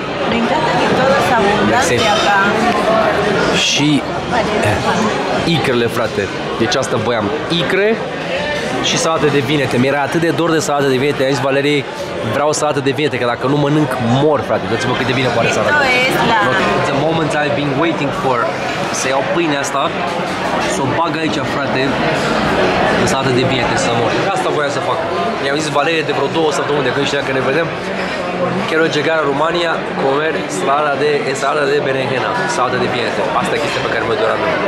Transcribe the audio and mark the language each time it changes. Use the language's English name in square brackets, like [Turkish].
[Romanian] Mâncată din toată abundanța ta. Și icrele, frate. Deci asta voiam. Icre și salată de vinete. Mi-era atât de dor de salată de vinete. Ai zis, Valerie, vreau salată de vinete, că dacă nu mănânc, mor, frate. Dă-ți-mă cât de bine pare să arată. [English] The moment I've been waiting for. [Romanian] Să iau pâinea asta, să o bag aici, frate, în salată de vinete, să mor. Asta voiam să fac. Mi-am zis Valerie de vreo 2 săptămâni de când știam că ne vedem. [Spanish] Quiero llegar a Rumania, comer salada de ensalada de berenjena, [Romanian] salada de vinete. Asta e chestia pe care mă doream.